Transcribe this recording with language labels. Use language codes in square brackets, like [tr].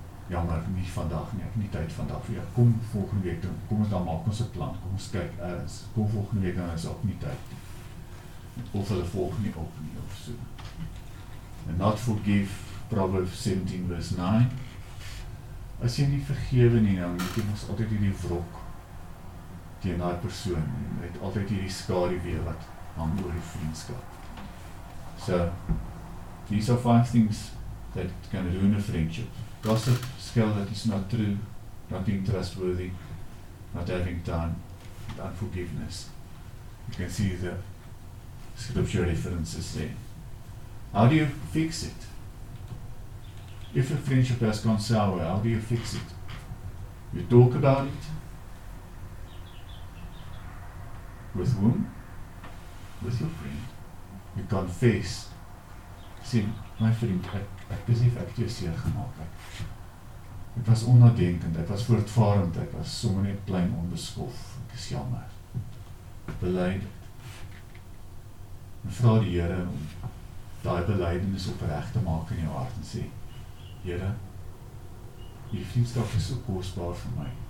[af] Jammer, nie vandag nie, ek nie tyd vandag vir jou. Kom volgende week, kom ons dan maak ons een plan, kom ons kyk ergens. Kom volgende week, dan is ook nie tyd. Of hulle volg nie op nie, of so. [en] And not forgive, Proverbs 17 verse 9. [af] As jy nie vergewe nie, nou, jy ken ons altyd hierdie wrok teen die persoon, en het altyd hierdie skaduwee wat hang oor die vriendskap. [en] So, these are five things that can ruin a friendship. Gossip, scale that is not true, not being trustworthy, not having time, and unforgiveness. You can see the scripture references there. How do you fix it? If a friendship has gone sour, how do you fix it? You talk about it? With whom? With your friend. You confess. See, my friend, [af] Ek besef ek het jou seer gemaak. Ek was onnadenkend, ek was voortvarend, ek was sommer net plein onbeskof. Ek is jammer. Beleid het. En vra die Here om die belydenis opreg te maak in jou hart en sê, Here, die vriendskap is so kostbaar vir my.